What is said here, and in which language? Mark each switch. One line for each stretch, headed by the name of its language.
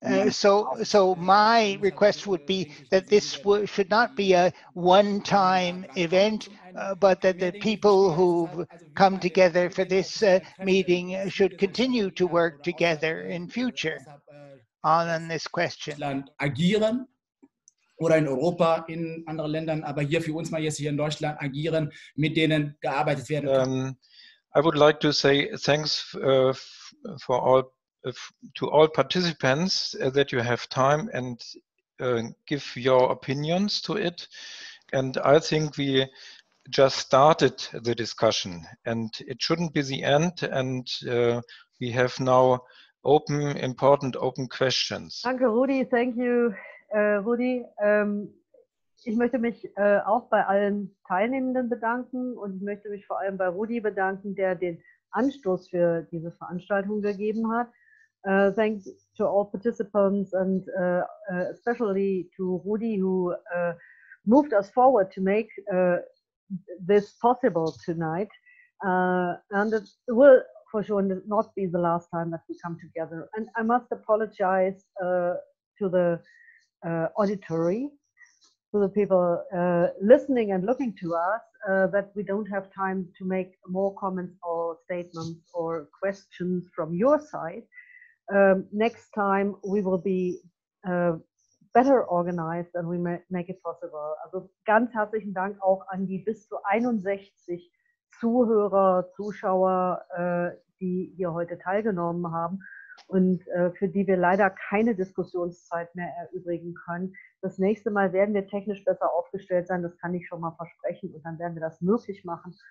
English: So my request would be that this should not be a one-time event, but that the people who've come together for this meeting should continue to work together in future on this question.
German: Agieren oder in Europa, in anderen Ländern, aber hier für uns mal jetzt hier in Deutschland agieren, mit denen gearbeitet werden kann.
English: I would like to say thanks for all to all participants that you have time and give your opinions to it. And I think we just started the discussion and it shouldn't be the end, and we have now important questions.
German: Danke, Rudi.
English: Thank you, Rudi.
German: Ich möchte mich auch bei allen Teilnehmenden bedanken und ich möchte mich vor allem bei Rudi bedanken, der den Anstoß für diese Veranstaltung gegeben hat.
English: Thanks to all participants and especially to Rudi, who moved us forward to make this possible tonight. And it will for sure not be the last time that we come together. And I must apologize to the auditory, to the people listening and looking to us, that we don't have time to make more comments or statements or questions from your side. Next time we will be better organized and we make it possible.
German: Also ganz herzlichen Dank auch an die bis zu 61 Zuhörer, Zuschauer, die hier heute teilgenommen haben und für die wir leider keine Diskussionszeit mehr erübrigen können. Das nächste Mal werden wir technisch besser aufgestellt sein, das kann ich schon mal versprechen, und dann werden wir das möglich machen.